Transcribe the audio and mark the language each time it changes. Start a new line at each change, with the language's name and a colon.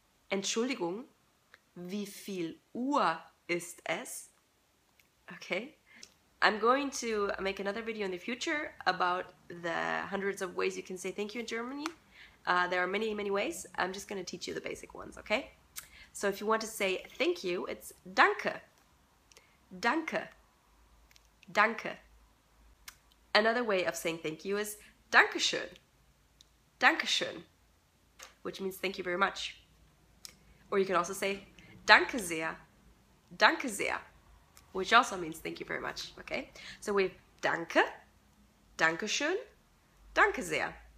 German: Entschuldigung, wie viel Uhr ist es?
English: Okay. I'm going to make another video in the future about the hundreds of ways you can say thank you in Germany. There are many, many ways. I'm just going to teach you the basic ones, okay? So if you want to say thank you, it's Danke. Danke. Danke. Another way of saying thank you is Dankeschön. Dankeschön. Which means thank you very much. Or you can also say Danke sehr. Danke sehr. Which also means thank you very much, okay? So we have Danke, Dankeschön, Danke sehr.